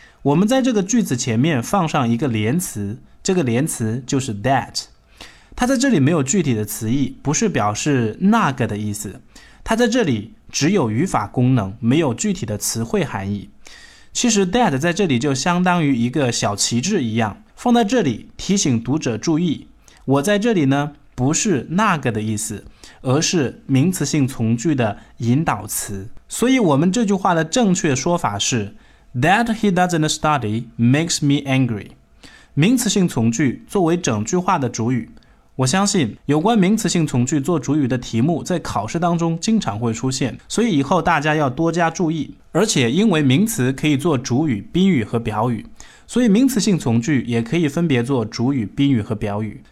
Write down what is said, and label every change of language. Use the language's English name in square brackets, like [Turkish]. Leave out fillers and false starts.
[Chinese] 我们在这个句子前面放上一个连词，这个连词就是 that， 它在这里没有具体的词义，不是表示那个的意思，它在这里只有语法功能，没有具体的词汇含义。其实 that 在这里就相当于一个小旗帜一样，放在这里提醒读者注意，我在这里呢不是那个的意思，而是名词性从句的引导词。所以我们这句话的正确说法是 [English] that he doesn't study makes me angry。 [Chinese] 名词性从句作为整句话的主语，我相信有关名词性从句做主语的题目在考试当中经常会出现，所以以后大家要多加注意。而且因为名词可以做主语、宾语和表语，所以名词性从句也可以分别做主语、宾语和表语。